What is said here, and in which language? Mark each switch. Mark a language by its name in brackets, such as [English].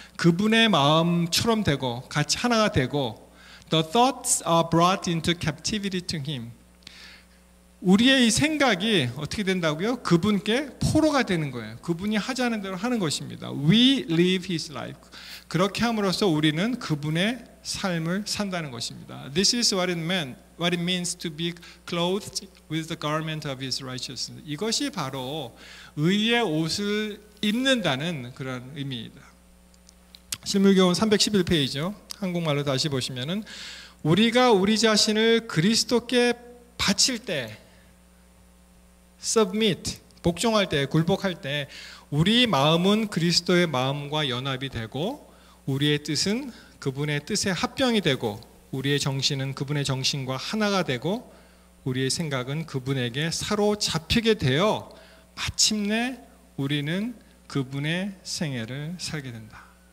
[Korean] 그분의 마음처럼 되고 같이 하나가 되고 [English] the thoughts are brought into captivity to him. [Korean] 우리의 이 생각이 어떻게 된다고요? 그분께 포로가 되는 거예요. 그분이 하자는 대로 하는 것입니다. [English] We live his life. [Korean] 그렇게 함으로써 우리는 그분의 삶을 산다는 것입니다. [English] This is what it means to be clothed with the garment of his righteousness. [Korean] 이것이 바로 의의 옷을 입는다는 그런 의미입니다. 실물교훈 311페이지요. 한국말로 다시 보시면은 우리가 우리 자신을 그리스도께 바칠 때 Submit, 복종할 때, 굴복할 때 우리 마음은 그리스도의 마음과 연합이 되고 우리의 뜻은 그분의 뜻에 합병이 되고 우리의 정신은 그분의 정신과 하나가 되고 우리의 생각은 그분에게 사로잡히게 되어 마침내 우리는 그분의 생애를 살게 된다.